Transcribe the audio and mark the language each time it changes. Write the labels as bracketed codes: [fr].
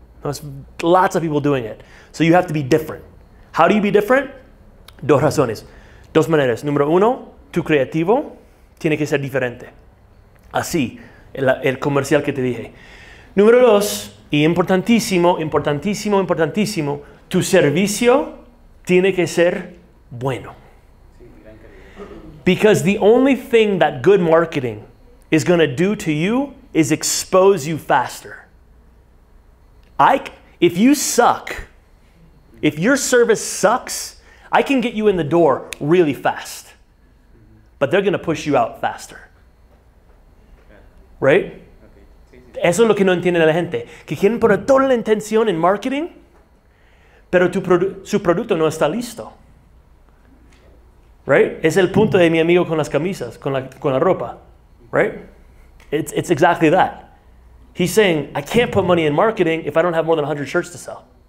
[en] There's lots of people doing it. So you have to be different. How do you be different? [es] Dos razones. Dos maneras. Número uno, tu creativo tiene que ser diferente. Así, el comercial que te dije. Número dos, y importantísimo, importantísimo, importantísimo, tu servicio tiene que ser bueno. [en] Because the only thing that good marketing is going to do to you is expose you faster. If you suck, if your service sucks, I can get you in the door really fast. But they're going to push you out faster. Right? [es] Eso es lo que no entiende la gente, que quieren poner toda la intención en marketing, pero su producto no está listo. [en] Right? [es] Es el punto de mi amigo con las camisas, con la ropa. [en] Right? It's exactly that. He's saying, I can't put money in marketing if I don't have more than 100 shirts to sell.